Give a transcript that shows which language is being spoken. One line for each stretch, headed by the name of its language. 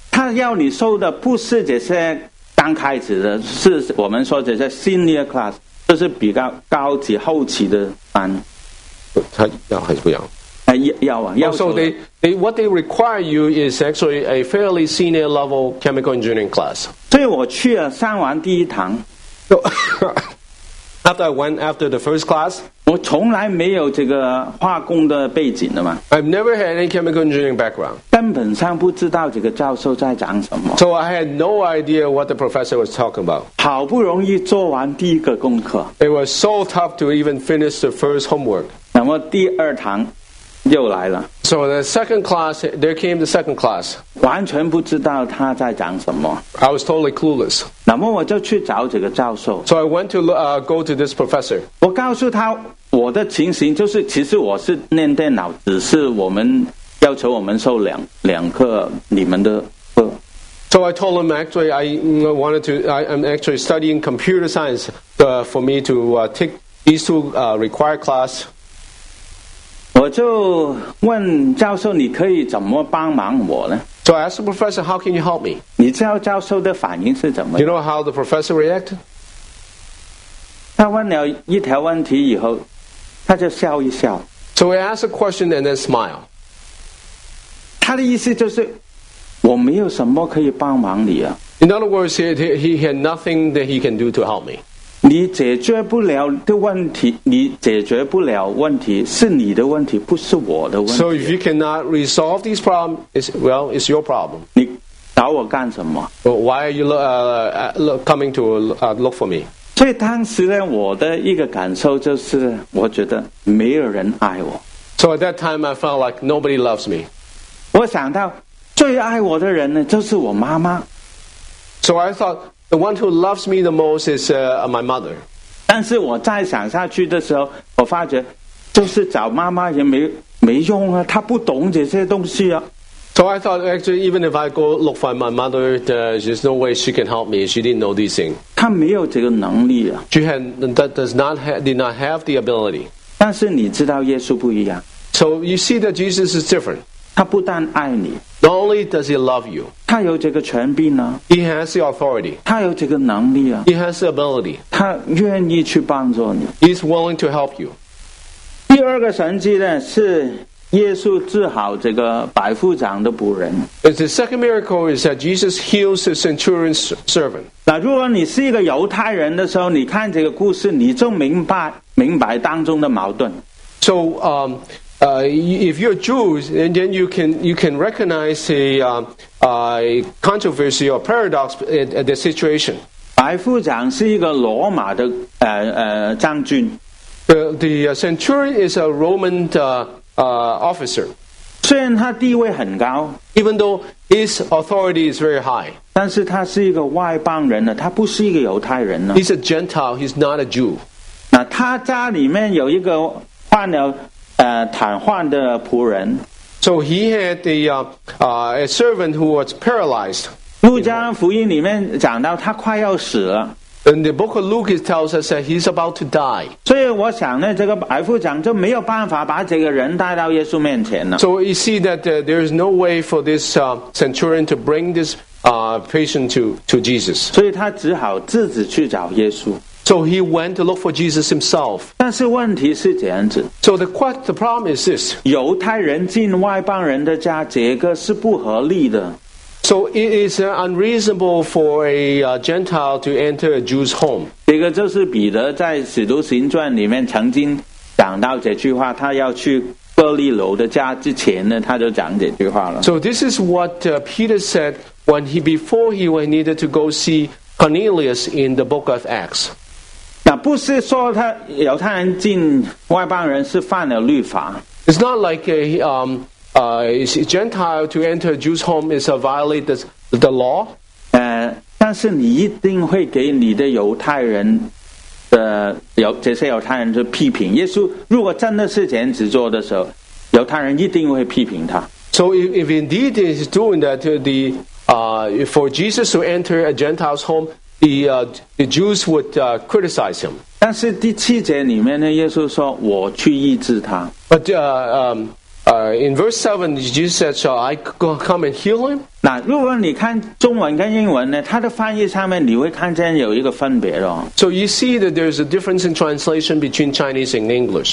Chinese: 他要你受的不是这些刚开始的，是我们说这些
English: senior class，
Chinese: 就是比较高级后期的班。他要还是不要？
English: So they what they require you is actually a fairly senior level chemical engineering class.
Chinese: 所以我去了，上完第一堂。
English: So, after I went after the first class,
Chinese: 我从来没有这个化工的背景的嘛。
English: I've never had any chemical engineering background.
Chinese: 根本上不知道这个教授在讲什么。
English: So I had no idea what the professor was talking about.
Chinese: 好不容易做完第一个功课。
English: It was so tough to even finish the first homework.
Chinese: 那么第二堂。又来了。
English: So the second class, there came the second class.
Chinese: 完全不知道他在讲什么。
English: I was totally clueless.
Chinese: 那么我就去找这个教授。
English: So I went to go to this professor.
Chinese: 我告诉他我的情形，就是其实我是念电脑，只是我们要求我们受两课你们的课。
English: So I told him actually I'm actually studying computer science for me to take these two required class.
Chinese: 我就问教授你可以怎么帮忙我呢
English: So I asked the professor, how can you help me?
Chinese: 你知道教授的反应是怎么
English: Do you know how the professor reacted?
Chinese: 他问了一条问题以后他就笑一笑
English: So I asked a question and then smile
Chinese: 他的意思就是我没有什么可以帮忙你啊
English: In other words, he had nothing that he can do to help me
Chinese: 你解决不了的问题，你解决不了问题是你的问题，不是我的问题。
English: So if you cannot resolve these problems, it's your problem.
Chinese: 你找我干什么
English: well, ？Why are you coming to look for me？
Chinese: 所以当时呢，我的一个感受就是，我觉得没有人爱我。
English: So at that time, I felt like nobody loves me.
Chinese: 我想到最爱我的人呢，就是我妈妈。
English: So I thought. The one who loves me the most is my mother.
Chinese: 但是我再想下去的时候，我发觉就是找妈妈也没用啊，她不懂这些东西啊。
English: So I thought actually, even if I go look for my mother, there's no way she can help me. She didn't know these things.
Chinese: 她没有这个能力啊。
English: She did not have the ability.
Chinese: 但是你知道耶稣不一样。
English: So you see that Jesus is different.
Chinese: 他不但爱你
English: ，Not only does he love you，
Chinese: 他有这个权柄啊
English: ，He has the authority，
Chinese: 他有这个能力啊
English: ，He has the ability，
Chinese: 他愿意去帮助你
English: ，He's willing to help you。
Chinese: 第二个神迹呢，是耶稣治好这个百夫长的仆人。
English: The second miracle is that Jesus heals the centurion's servant。
Chinese: 那如果你是一个犹太人的时候，你看这个故事，你就明白当中的矛盾。
English: So if you're Jews, then you can recognize the controversy or paradox at the situation.
Chinese: 百夫长是一个罗马的将军。
English: The centurion is a Roman officer.
Chinese: 虽然他地位很高
English: ，even though His authority is very high.
Chinese: 但是他是一个外邦人呢，他不是一个犹太人呢。
English: He's a Gentile. He's not a Jew.
Chinese: 那他家里面有一个患了瘫痪的仆人。
English: So he had a servant who was paralyzed.
Chinese: 路加福音里面讲到他快要死了。
English: In the book of Luke, it tells us that he's about to die.
Chinese: 所以我想呢，这个白夫长就没有办法把这个人带到耶稣面前了。
English: So you see that there is no way for this centurion to bring this patient to Jesus.
Chinese: 所以他只好自己去找耶稣。
English: So he went to look for Jesus himself.
Chinese: 但是问题是这样子。
English: So the problem is this.
Chinese: 犹太人进外邦人的家，这个是不合理的。
English: So it is unreasonable for a Gentile to enter a Jew's home.
Chinese: 这个就是彼得在《使徒行传》里面曾经讲到这句话，他要去哥利楼的家之前呢，他就讲这句话了。
English: So this is what Peter said when he before he needed to go see Cornelius in the book of Acts.
Chinese: 那不是说他犹太人进外邦人是犯了律法。
English: It's not like is a Gentile to enter a Jew's home is a violate the law?
Chinese: 但是你一定会给你的犹太人的这些犹太人的批评。耶稣如果真的是这样子做的时候，犹太人一定会批评他。
English: So if indeed he is doing that, for Jesus to enter a Gentile's home, the Jews would criticize him.
Chinese: 但是第七节里面呢，耶稣说：“我去医治他。”
English: But in verse 7, Jesus said, "Shall I come and heal him?"
Chinese: 那如果你看中文跟英文呢，它的翻译上面你会看见有一个分别的。
English: So you see that there's a difference in translation between Chinese and English.